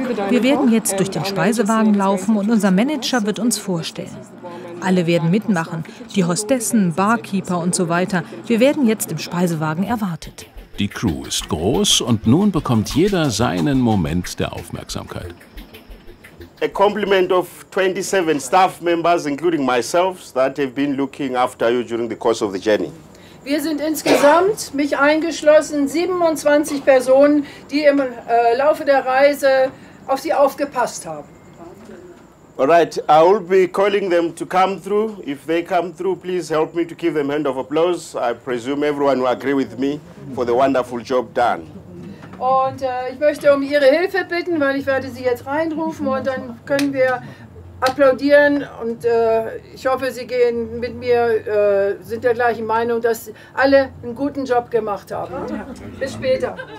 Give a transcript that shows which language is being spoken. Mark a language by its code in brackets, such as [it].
[de] Wir werden jetzt durch den Speisewagen laufen und unser Manager wird uns vorstellen. Alle werden mitmachen, die Hostessen, Barkeeper und so weiter. Wir werden jetzt im Speisewagen erwartet. Die Crew ist groß und nun bekommt jeder seinen Moment der Aufmerksamkeit. [en] A compliment of 27 staff members, including myself, that have been looking after you during the course of the journey. [de] Wir sind insgesamt, mich eingeschlossen, 27 Personen, die im Laufe der Reise auf sie aufgepasst haben. [en] All right, I will be calling them to come through. If they come through, please help me to give them a hand of applause. I presume everyone will agree with me for the wonderful job done. [de] Und ich möchte um Ihre Hilfe bitten, weil ich werde Sie jetzt reinrufen und dann können wir applaudieren. Und ich hoffe, Sie gehen mit mir, sind der gleichen Meinung, dass alle einen guten Job gemacht haben. Ja. Bis später.